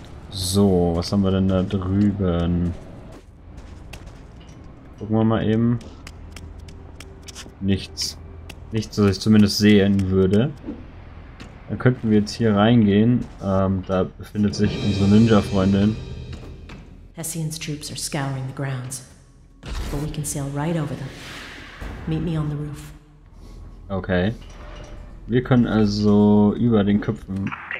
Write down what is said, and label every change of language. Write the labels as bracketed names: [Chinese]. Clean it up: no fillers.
[German] So, was haben wir denn da drüben? Gucken wir mal eben. Nichts. Nichts, was ich zumindest sehen würde. Dann könnten wir jetzt hier reingehen. Da befindet sich unsere Ninja-Freundin. [English] Hessian's troops are scouring the grounds. But we can sail right over them. Meet me on the roof. Okay. [German] Wir können also über den Köpfen.